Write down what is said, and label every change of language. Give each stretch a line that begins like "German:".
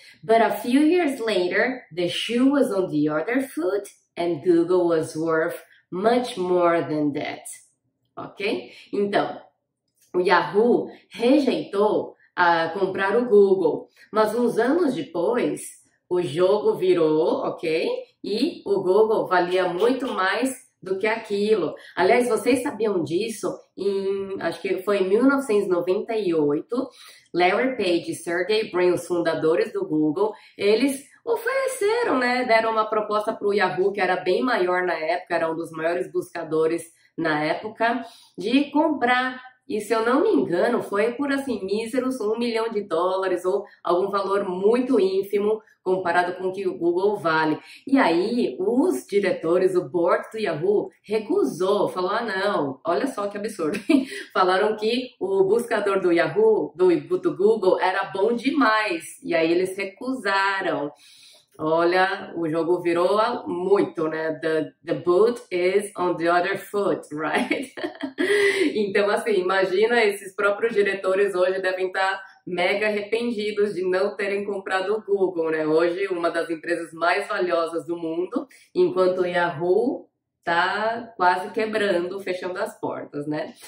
English: But a few years later, the shoe was on the other foot and Google was worth much more than that. Ok?
Portuguese: Então, o Yahoo rejeitou a comprar o Google, mas uns anos depois o jogo virou, ok? E o Google valia muito mais do que aquilo. Aliás, vocês sabiam disso? Acho que foi em 1998, Larry Page e Sergey Brin, os fundadores do Google, eles ofereceram, né? Deram uma proposta para o Yahoo, que era bem maior na época, era um dos maiores buscadores na época, de comprar. E se eu não me engano, foi por assim, míseros 1 milhão de dólares ou algum valor muito ínfimo comparado com o que o Google vale. E aí, os diretores, o board do Yahoo, recusou, falou: ah, não, olha só que absurdo. Falaram que o buscador do Yahoo, do Google, era bom demais. E aí, eles recusaram. Olha, o jogo virou muito, né?
English: The boot is on the other foot, right?
Portuguese: Então, assim, imagina esses próprios diretores hoje devem estar mega arrependidos de não terem comprado o Google, né? Hoje, uma das empresas mais valiosas do mundo, enquanto o Yahoo está quase quebrando, fechando as portas, né?